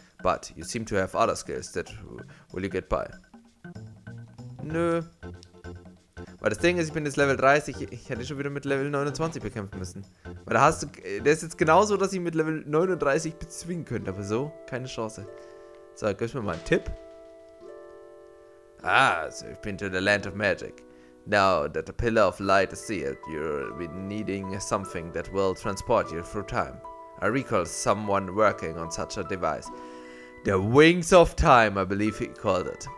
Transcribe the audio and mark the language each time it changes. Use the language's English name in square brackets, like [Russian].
[English] But you seem to have other skills that will you get by. [German] Nö. Weil das Ding ist, ich bin jetzt Level 30. Ich hätte schon wieder mit Level 29 bekämpfen müssen. Weil da hast du. Der ist jetzt genauso, dass ich mit Level 39 bezwingen könnte. Aber so, keine Chance. So, gibst mir mal einen Tipp. [English] Ah, so you've been to the land of magic. Now that the pillar of light is sealed, you're needing something that will transport you through time. I recall someone working on such a device. The Wings of Time, I believe he called it.